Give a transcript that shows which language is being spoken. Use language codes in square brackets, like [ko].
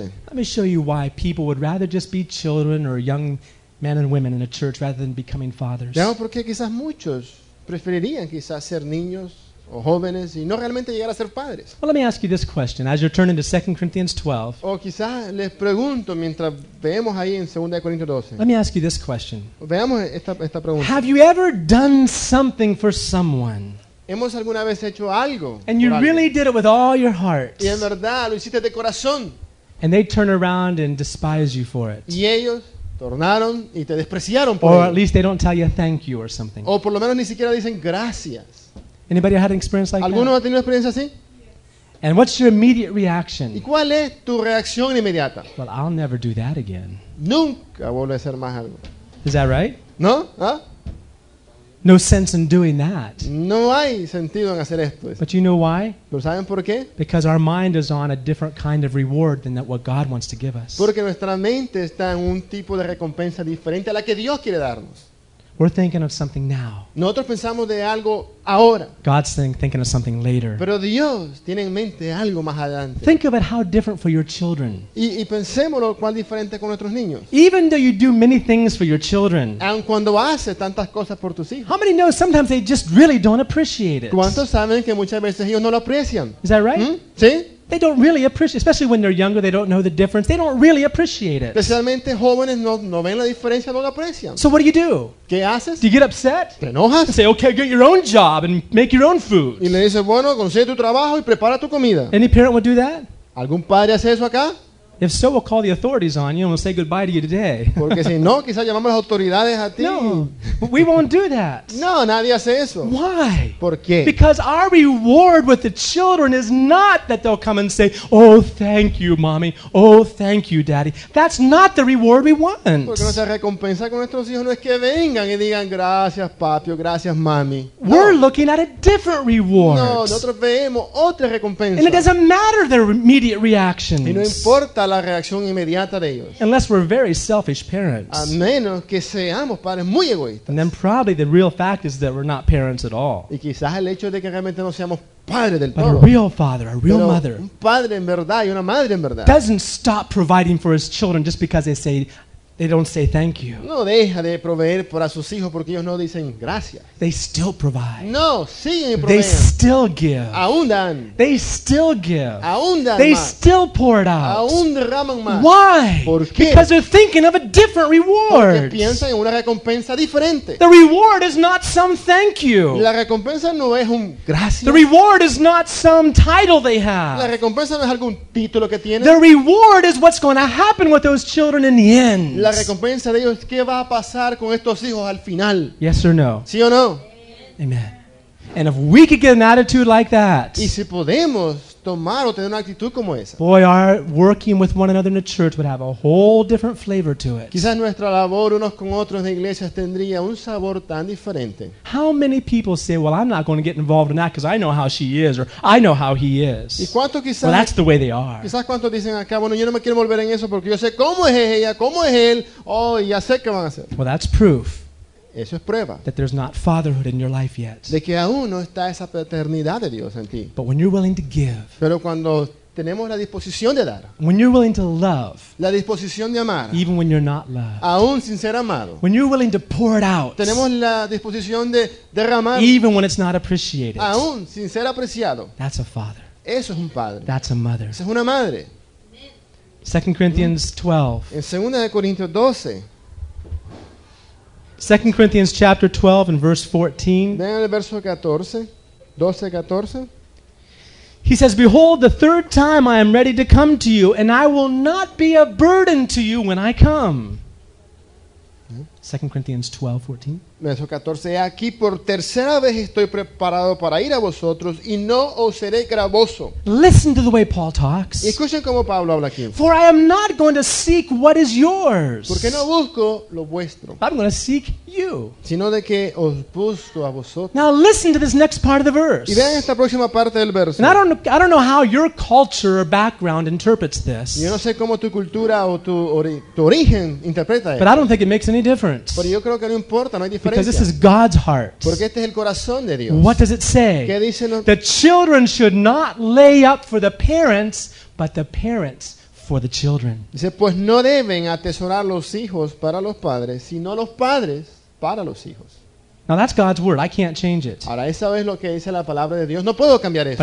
[en] Let me show you why people would rather just be children or young men and women in a church rather than becoming fathers. [es] Veamos por qué quizás muchos preferirían quizás ser niños o jóvenes y no realmente llegar a ser padres. [en] Well, let me ask you this question as you're turning to 2 Corinthians 12. [es] O quizás les pregunto mientras vemos ahí en Segunda de Corintios 12. [en] Let me ask you this question. [es] Veamos esta pregunta. [en] Have you ever done something for someone? [es] ¿Hemos alguna vez hecho algo? [en] And you really did it with all your heart. [es] Y en verdad lo hiciste de corazón. [en] And they turn around and despise you for it. [es] Y ellos tornaron y te despreciaron por. [en] Or at least they don't tell you thank you or something. [es] O por lo menos ni siquiera dicen gracias. [en] Anybody had an experience like [es] ¿Alguno [en] that? [es] ¿Ha tenido experiencia así? [en] And what's your immediate reaction? [es] ¿Y cuál es tu reacción inmediata? [en] Well, I'll never do that again. [es] Nunca vuelvo a hacer más algo. [en] Is that right? [es] ¿No? ¿Ah? [en] No sense in doing that. [es] No hay sentido en hacer esto. [en] But you know why? [es] ¿Pero saben por qué? [en] Because our mind is on a different kind of reward than that what God wants to give us. [es] Porque nuestra mente está en un tipo de recompensa diferente a la que Dios quiere darnos. [en] We're thinking of something now. [es] Nosotros pensamos de algo ahora. [en] God's thinking of something later. [es] Pero Dios tiene en mente algo más adelante. [en] Think about how different for your children. [es] Y pensémoslo cuán diferente con nuestros niños. [en] Even though you do many things for your children. [es] Aun cuando haces tantas cosas por tus hijos. [en] How many know sometimes they just really don't appreciate it? [es] ¿Cuántos saben que muchas veces ellos no lo aprecian? [en] Is that right? [es] ¿Sí? [en] They don't really appreciate, especially when they're younger, they don't know the difference. They don't really appreciate it. [es] Especialmente jóvenes no ven la diferencia, no lo aprecian. [en] So what do you do? [es] ¿Qué haces? [en] Do you get upset? [es] ¿Te enojas? [en] Say, okay, get your own job and make your own food. [es] Y le dices, bueno, consigue tu trabajo y prepara tu comida. [en] Any parent would do that? [es] ¿Algún padre hace eso acá? [en] If so, we'll call the authorities on you and we'll say goodbye to you today. [es] Porque si no, quizás llamamos a las autoridades a ti. [en] No, but we won't do that. [es] No, nadie hace eso. [en] Why? [es] ¿Por qué? [en] Because our reward with the children is not that they'll come and say, oh, thank you, mommy. Oh, thank you, daddy. That's not the reward we want. [es] Porque nuestra recompensa con nuestros hijos no es que vengan y digan, gracias, papi, gracias, mami. [en] No. We're looking at a different reward. [es] No, nosotros vemos otra recompensa. [en] And it doesn't matter their immediate reactions. [es] Y no importa la reacción inmediata de ellos. [en] Unless we're very selfish parents. [es] A menos que seamos padres muy egoístas. [en] And then probably the real fact is that we're not parents at all. [es] Y quizás el hecho de que realmente no seamos padres del [en] but [es] todo. [en] A real father, a real [es] Pero [en] mother. [es] Un padre en verdad y una madre en verdad. [en] Doesn't stop providing for his children just because they don't say thank you. [es] No deja de proveer por a sus hijos porque ellos no dicen gracias. [en] They still provide. [es] No, siguen proveyendo. [en] They still give. [es] Aún dan. [en] They still give. [es] Aún dan [en] They [es] más. [en] Still pour it out. [es] Aún derraman más. [en] Why? [es] ¿Por qué? [en] Because they're thinking of a different reward. [es] Porque piensan en una recompensa diferente. [en] The reward is not some thank you. [es] La recompensa no es un gracias. [en] The reward is not some title they have. [es] La recompensa no es algún título que tienen. [en] The reward is what's going to happen with those children in the end. [es] La recompensa de ellos, ¿qué va a pasar con estos hijos al final? [en] Yes or no. [es] ¿Sí o no? [en] Amen. And if we could get an attitude like that. [es] Y si podemos tomar o tener una actitud como esa. [en] Boy, our working with one another in a church would have a whole different flavor to it. [es] Quizás nuestra labor unos con otros en iglesias tendría un sabor tan diferente. [en] How many people say, well, I'm not going to get involved in that because I know how she is or I know how he is. [es] ¿Y cuánto quizás? [en] Well, that's the way they are. [es] Quizás cuántos dicen acá, bueno, yo no me quiero volver en eso porque yo sé cómo es ella, cómo es él, oh, ya sé qué van a hacer. [en] Well, that's proof. [es] Eso es prueba. [en] That there's not fatherhood in your life yet. [es] De que aún no está esa paternidad de Dios en ti. [en] But when you're willing to give. [es] Pero cuando tenemos la disposición de dar. [en] When you're willing to love. [es] La disposición de amar. [en] Even when you're not loved. [es] Aún sin ser amado. [en] When you're willing to pour it out. [es] Tenemos la disposición de derramar. [en] Even when it's not appreciated. [es] Aún sin ser apreciado. [en] That's a father. [es] Eso es un padre. [en] That's a mother. [es] Esa es una madre. [en] 2 Corinthians 12. [es] En 2 de Corintios 12. [en] 2 Corinthians chapter 12 and verse 14. [es] Vean el verso 12-14. [en] He says, behold, the third time I am ready to come to you, and I will not be a burden to you when I come. 2 Corinthians 12:14. [es] Verso 14. Aquí por tercera vez estoy preparado para ir a vosotros y no os seré gravoso. [en] Listen to the way Paul talks. [es] Escuchen cómo Pablo habla aquí. [en] For I am not going to seek what is yours. [es] Porque no busco lo vuestro. [en] I'm going to seek you. [es] Sino de que os busco a vosotros. [en] Now listen to this next part of the verse. [es] Y vean esta próxima parte del verso. [en] And I don't know how your culture or background interprets this. [es] Yo no sé cómo tu cultura o tu origen interpreta esto. [en] But I don't think it makes any difference. [es] Pero yo creo que no importa, no hay diferencia. [en] because this is God's heart. [es] Porque este es el corazón de Dios. [en] What does it say? [es] ¿Qué dice no? [en] The children should not lay up for the parents, but the parents for the children. [es] Dice, pues no deben atesorar los hijos para los padres, sino los padres para los hijos. [en] Now that's God's word. I can't change it. [es] Ahora esa es lo que dice la palabra de Dios. No puedo cambiar eso.